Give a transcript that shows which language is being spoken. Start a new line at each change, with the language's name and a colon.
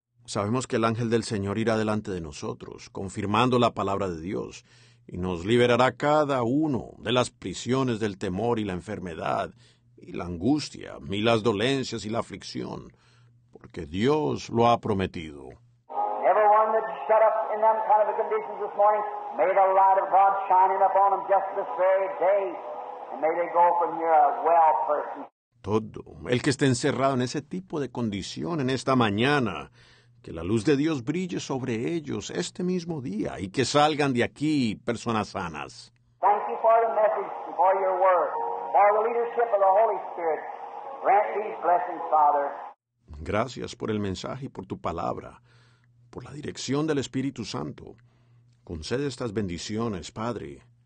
Spanish: sabemos que el ángel del Señor irá delante de nosotros, confirmando la palabra de Dios, y nos liberará cada uno de las prisiones del temor y la enfermedad, y la angustia, y las dolencias y la aflicción, porque Dios lo ha prometido.
English: Everyone that shut up in them kind of a condition this morning, may the light of God shine in upon them just this very day. And may they go from here a well person.
Spanish: Todo el que esté encerrado en ese tipo de condición en esta mañana, que la luz de Dios brille sobre ellos este mismo día y que salgan de aquí personas sanas.
English: Thank you for the message, for your word, for the leadership of the Holy Spirit. Grant these blessings, Father.
Spanish: Gracias por el mensaje y por tu palabra, por la dirección del Espíritu Santo. Concede estas bendiciones, Padre.